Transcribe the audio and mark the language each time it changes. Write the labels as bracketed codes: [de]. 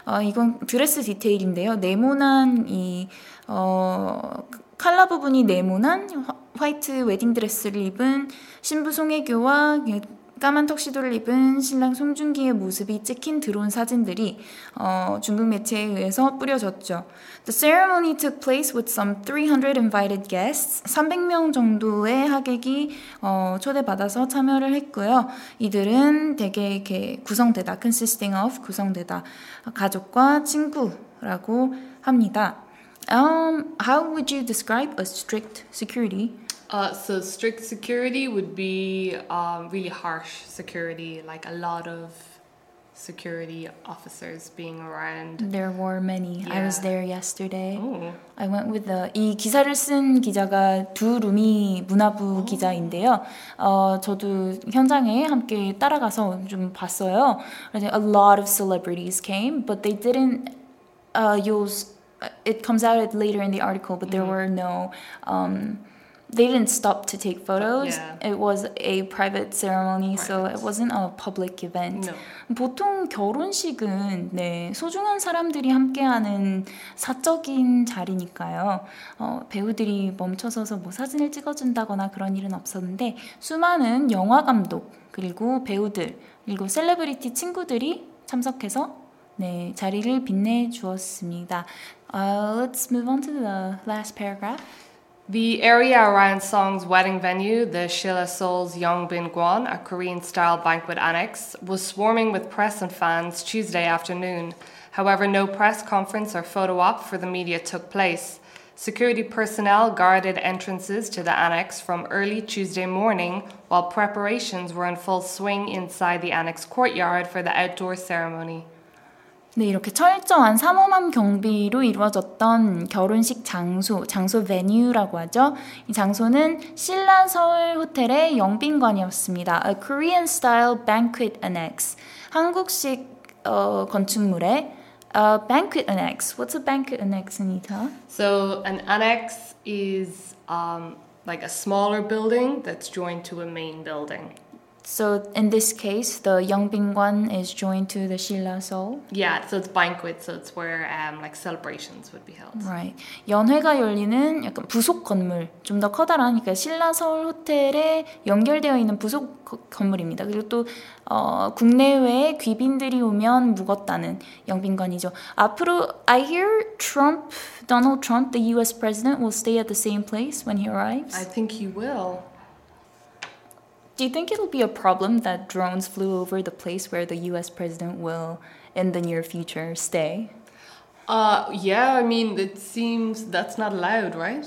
[ko] 이건 드레스 디테일인데요. 네모난 이 컬러 부분이 네모난 화이트 웨딩 드레스를 입은 신부 송혜교와 까만 턱시도를 입은 신랑 송중기의 모습이 찍힌 드론 사진들이 중국 매체에 의해서 뿌려졌죠. [en] The ceremony took place with some 300 invited guests. [ko] 300명 정도의 하객이 초대받아서 참여를 했고요. 이들은 대개 이렇게 구성되다, consisting of 구성되다, 가족과 친구라고 합니다. [en] How would you describe a strict security? So strict security would be really harsh security, like a lot of security officers being around. There were many. Yeah. I was there yesterday. Ooh. [ko] I went with the 이 기사를 쓴 기자가 두 루미 문화부 oh. 기자인데요. 저도 현장에 함께 따라가서 좀 봤어요. [en] A lot of celebrities came, but they didn't use. It comes out later in the article, but there mm-hmm. were no. They didn't stop to take photos. Yeah. It was a private ceremony, so it wasn't a public event. No. [ko] 보통 결혼식은 네, 소중한 사람들이 함께하는 사적인 자리니까요. 배우들이 멈춰서서 뭐 사진을 찍어준다거나 그런 일은 없었는데 수많은 영화 감독 그리고 배우들 그리고 셀레브리티 친구들이 참석해서 네, 자리를 빛내주었습니다. [en] Let's move on to the last paragraph. The area around Song's wedding venue, the Sheila Seoul's Yongbin Gwon, a Korean-style banquet annex, was swarming with press and fans Tuesday afternoon. However, no press conference or photo op for the media took place. Security personnel guarded entrances to the annex from early Tuesday morning, while preparations were in full swing inside the annex courtyard for the outdoor ceremony. [ko] 네, 이렇게 철저한 삼엄한 경비로 이루어졌던 결혼식 장소 venue라고 하죠. 이 장소는 신라 서울 호텔의 영빈관이었습니다. [en] A Korean style banquet annex. [ko] 한국식 건축물의 [en] a banquet annex. What's a banquet annex, Anita? So an annex is like a smaller building that's joined to a main building. So in this case, the Yongbingwan is joined to the Sheila Seoul. Yeah, so it's banquet, so it's where like celebrations would be held. Right. [ko] 연회가 열리는 약간 부속 건물, 좀 더 커다란, 그러니까 신라 서울 호텔에 연결되어 있는 부속 건물입니다. 그리고 또 국내외 귀빈들이 오면 묵었다는 영빈관이죠. [en] 앞으로 I hear Trump, Donald Trump, the U.S. president, will stay at the same place when he arrives. I think he will. Do you think it'll be a problem that drones flew over the place where the U.S. president will, in the near future, stay? Yeah, I mean, it seems that's not allowed, right?